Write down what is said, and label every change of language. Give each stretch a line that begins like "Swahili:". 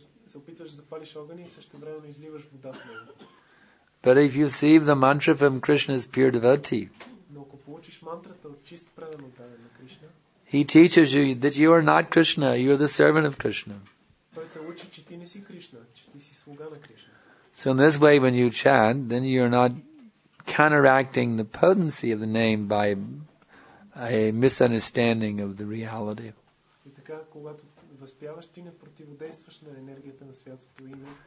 Bulgarian: се опитваш да запалиш огъня и същевременно изливаш вода в него.
English: But if you receive the mantra from Krishna's pure devotee,
Bulgarian: но ако получиш мантрата от чист предан от на Кришна,
English: he teaches you that you are not Krishna, you are the servant of Krishna.
Bulgarian: Той те учи, че ти не си Кришна, че ти си слуга на Кришна.
English: So in this way, when you chant, then you are not counteracting the potency of the name by a misunderstanding of the reality.
Bulgarian: И така, когато възпяваш, ти не противодействаш на енергията на святото име.